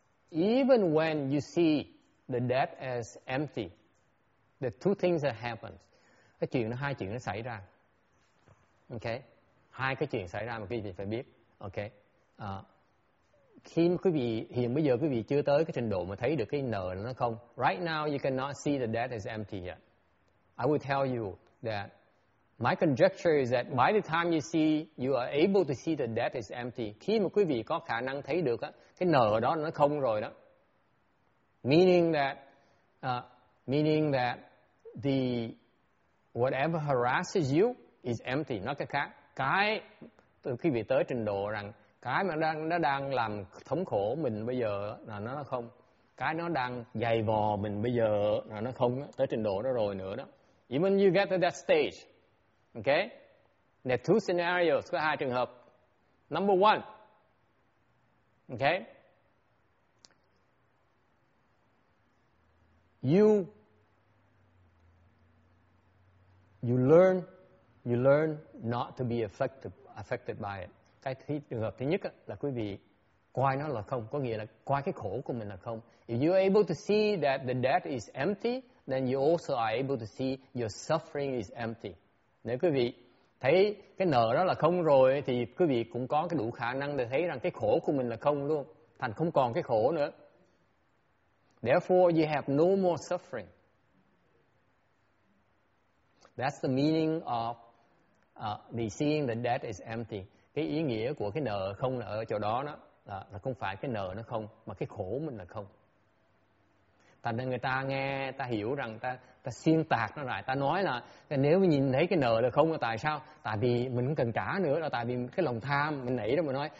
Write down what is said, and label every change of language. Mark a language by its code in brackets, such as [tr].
[en] Even when you see the debt as empty, the two things that happen, [vi] hai chuyện nó xảy ra. Okay, hai cái chuyện xảy ra mà quý vị phải biết. Okay, khi quý vị hiện bây giờ quý vị chưa tới cái trình độ mà thấy được cái nợ nó không. [en] Right now you cannot see the debt as empty yet. I will tell you that my conjecture is that by the time you are able to see the debt is empty. [vi] Khi mà quý vị có khả năng thấy được á, cái nợ đó nó không rồi đó. [en] Meaning that meaning that the whatever harasses you is empty. [vi] Nói cách khác, cái từ khi bị tới trình độ rằng cái mà đang nó đang làm thống khổ mình bây giờ là nó không, cái nó đang giày vò mình bây giờ là nó không tới trình độ đó rồi nữa đó. [en] Even you get to that stage, okay? There are two scenarios, [vi] có hai trường hợp. [en] Number one, okay? You learn not to be affected by it. [vi] Cái trường hợp thứ nhất là quý vị coi nó là không, có nghĩa là coi cái khổ của mình là không. [en] If you are able to see that the debt is empty, then you also are able to see your suffering is empty. [vi] Nếu quý vị thấy cái nợ đó là không rồi, thì quý vị cũng có cái đủ khả năng để thấy rằng cái khổ của mình là không luôn, thành không còn cái khổ nữa. [en] Therefore, you have no more suffering. That's the meaning of the seeing the debt is empty. [vi] Cái ý nghĩa của cái nợ không là ở chỗ đó, đó là không phải cái nợ nó không, mà cái khổ mình là không. Thành ra người ta nghe, ta hiểu rằng ta xuyên tạc nó lại. Ta nói là nếu nhìn thấy cái nợ là không là tại sao? Tại vì mình không cần trả nữa, là tại vì cái lòng tham mình nảy ra mà nói.